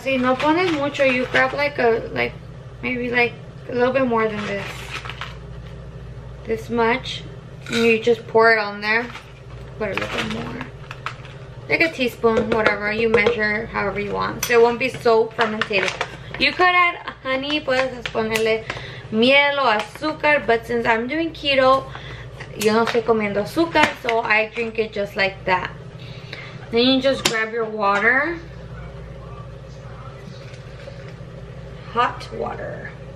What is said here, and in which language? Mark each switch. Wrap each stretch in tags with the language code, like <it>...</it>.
<es>Si no pones mucho,</es> <en>you grab like a, like maybe like a little bit more than this. This much. And you just pour it on there. Put a little bit more. Like a teaspoon, whatever. You measure however you want. So it won't be so fermented. You could add honey.</en> <es>Puedes ponerle miel o azúcar.</es> <en>But since I'm doing keto,</en> <es>yo no estoy comiendo azúcar.</es> <en>So I drink it just like that. Then you just grab your water. Hot water.</en>